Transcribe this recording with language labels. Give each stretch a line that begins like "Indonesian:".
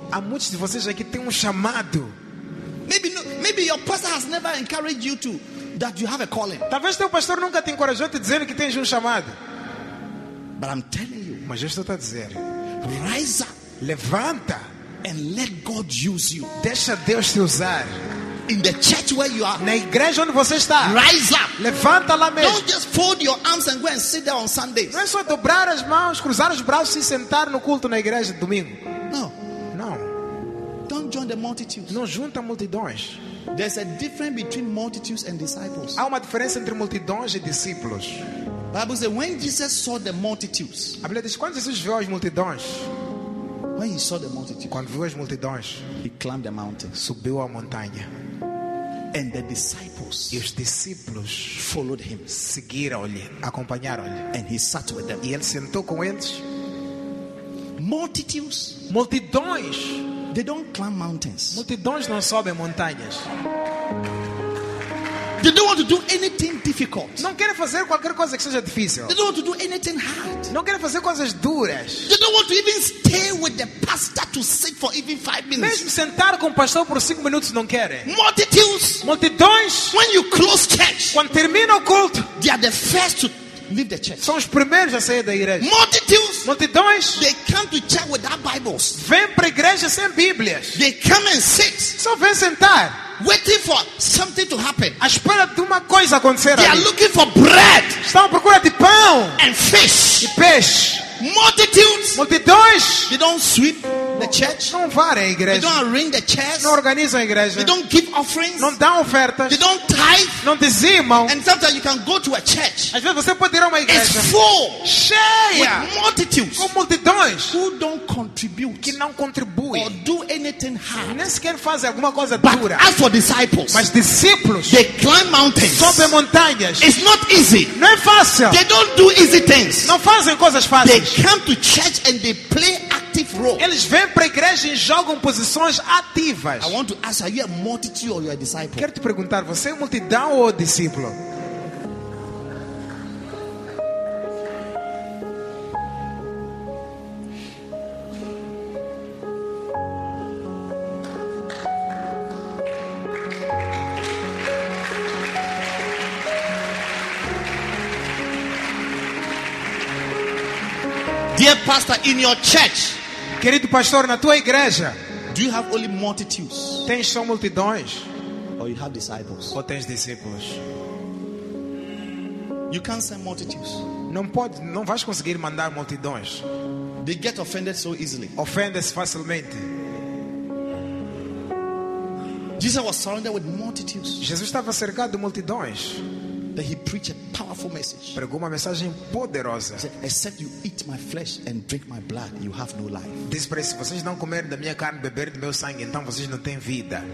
Portuguese: Há muitos de vocês aqui que têm chamado.
English: Maybe your pastor has never encouraged you to that you have a calling.
Portuguese: Talvez teu pastor nunca te encorajou te dizendo que tens chamado.
English: But I'm telling you.
Portuguese: Mas eu estou a dizer.
English: Rise up.
Portuguese: Levanta.
English: And let God use you.
Portuguese: Deixa Deus te usar.
English: In the church where you are.
Portuguese: Na igreja onde você está.
English: Rise up.
Portuguese: Levanta lá mesmo.
English: Don't just fold your arms and go and sit there on Sundays.
Portuguese: Não é só dobrar as mãos, cruzar os braços e sentar no culto na igreja de domingo.
English: No. No. Don't join the multitudes.
Portuguese: Não junta multidões.
English: There's a difference between multitudes and disciples.
Portuguese: Há uma diferença entre multidões e discípulos.
English: Bible says when Jesus saw the multitudes.
Portuguese: A Bíblia diz quando Jesus viu as multidões.
English: When he saw the multitudes.
Portuguese: Quando viu as multidões.
English: He climbed the mountain.
Portuguese: Subiu a montanha.
English: And the disciples.
Portuguese: E os discípulos
English: followed him.
Portuguese: Seguiram-lhe, acompanharam-lhe.
English: And he sat with them.
Portuguese: E ele sentou com eles.
English: Multitudes.
Portuguese: Multidões.
English: They don't climb mountains.
Portuguese: Multidões não sobem montanhas.
English: They don't want to do anything difficult.
Portuguese: Não querem fazer qualquer coisa que seja difícil.
English: They don't want to do anything hard.
Portuguese: Não querem fazer coisas duras.
English: They don't want to even stay with the pastor to sit for even 5 minutes.
Portuguese: Mesmo sentar com o pastor por 5 minutos não querem.
English: Multitudes.
Portuguese: Multidões.
English: When you close church.
Portuguese: Quando termina o culto.
English: They are the first to leave the church.
Portuguese: São os primeiros a sair da igreja.
English: Multitudes.
Portuguese: Multidões.
English: They come to church without Bibles.
Portuguese: Vêm para a igreja sem Bíblias.
English: They come and sit.
Portuguese: Só vêm sentar.
English: Waiting for something to happen.
Portuguese: À espera de uma coisa acontecer.
English: They are looking for bread.
Portuguese: Estão à procura de pão.
English: And fish.
Portuguese: E peixe.
English: Multitudes.
Portuguese: Multidões.
English: They don't sweep the church.
Portuguese: Não varrem a igreja.
English: They don't arrange the chairs.
Portuguese: Não organizam a igreja.
English: They don't give offerings.
Portuguese: Não dão ofertas.
English: They don't tithe.
Portuguese: Não dizimam.
English: And sometimes you can go to a church.
Portuguese: Às vezes você pode ir a uma igreja.
English: It's full.
Portuguese: Cheia.
English: With multitudes.
Portuguese: Com multidões.
English: Who don't contribute.
Portuguese: Que não contribuem.
English: Or do anything hard.
Portuguese: Nem sequer fazem alguma coisa
English: but
Portuguese: dura.
English: As for disciples.
Portuguese: Mas discípulos.
English: They climb mountains.
Portuguese: Sobem montanhas.
English: It's not easy.
Portuguese: Não é fácil.
English: They don't do easy things.
Portuguese: Não fazem coisas fáceis.
English: They come to church and they play active role.
Portuguese: Eles vêm para a igreja e jogam posições ativas.
English: I want to ask, are you a multitude or you a disciple?
Portuguese: Quero te perguntar, você é multidão ou discípulo?
English: Dear pastor, in your church,
Portuguese: querido pastor, na tua igreja,
English: do you have only multitudes?
Portuguese: Tens só multidões?
English: Or you have disciples?
Portuguese: Ou tens discípulos?
English: You can't send multitudes.
Portuguese: Não pode, não vais conseguir mandar multidões.
English: They get offended so easily.
Portuguese: Ofendem-se facilmente.
English: Jesus was surrounded with multitudes.
Portuguese: Jesus estava cercado de multidões.
English: That he preached a powerful message.
Portuguese: Pregou uma mensagem poderosa.
English: He said, except you eat my flesh and drink my blood, you have no life.
Portuguese: Diz para isso, vocês não comerem da minha carne, beber do meu sangue, então vocês não têm vida.